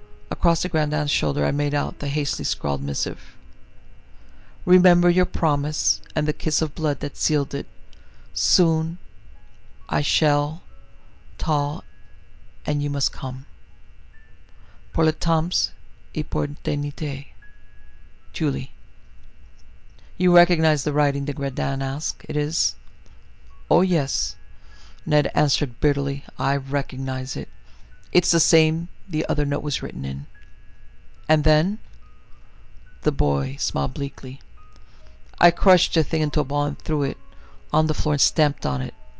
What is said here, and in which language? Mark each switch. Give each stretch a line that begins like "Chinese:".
English: Across the Grand Dan's shoulder, I made out the hastily scrawled missive. Remember your promise and the kiss of blood that sealed it. Soon, I shall, tall, and you must come.
French: Pour le temps et pour l'éternité.
English: Julie. You recognize the writing, the Grand Dan asked. It is? Oh, yes, Ned answered bitterly. I recognize it. It's the same the other note was written in. And then? The boy smiled bleakly. I crushed the thing into a ball and threw it on the floor and stamped on it.